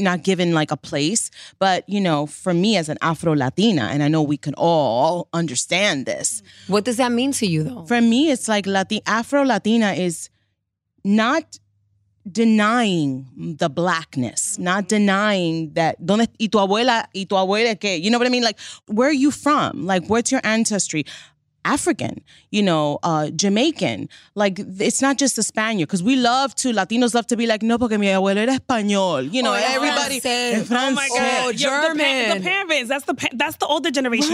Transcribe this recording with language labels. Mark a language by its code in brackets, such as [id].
[en] Not given like a place. But, you know, for me as an Afro-Latina, and I know we can all understand this. What does that mean to you, though? For me, it's like Afro-Latina is not denying the blackness, not denying that. [es] ¿Dónde, y tu abuela, y tu abuela qué? [en] You know what I mean? Like, where are you from? Like, what's your ancestry? African, you know, Jamaican. Like, it's not just a Spaniard, because we love to, Latinos love to be like, [es] no, porque mi abuelo era español. [en] You know, oh, everybody. [fr] Francais. Oh my God. [en] Oh, German. The parents, that's the older generation.